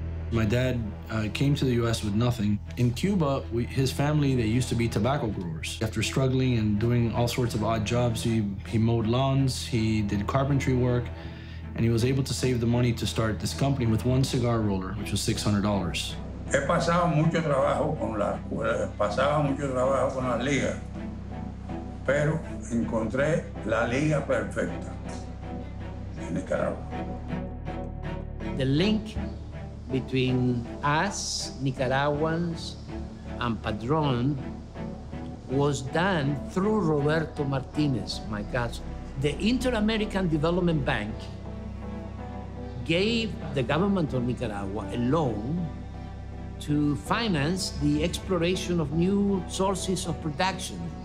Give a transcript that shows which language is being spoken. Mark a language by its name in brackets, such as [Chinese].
[English] My dad came to the U.S. with nothing. In Cuba, his family, they used to be tobacco growers. After struggling and doing all sorts of odd jobs, he mowed lawns, he did carpentry work, and he was able to save the money to start this company with one cigar roller, which was $600. [Spanish] He pasado mucho trabajo con la liga, pero encontré la liga perfecta en Nicaragua. [English] The link between us, Nicaraguans, and Padron was done through Roberto Martinez, my cousin. The Inter-American Development Bank gave the government of Nicaragua a loan to finance the exploration of new sources of production.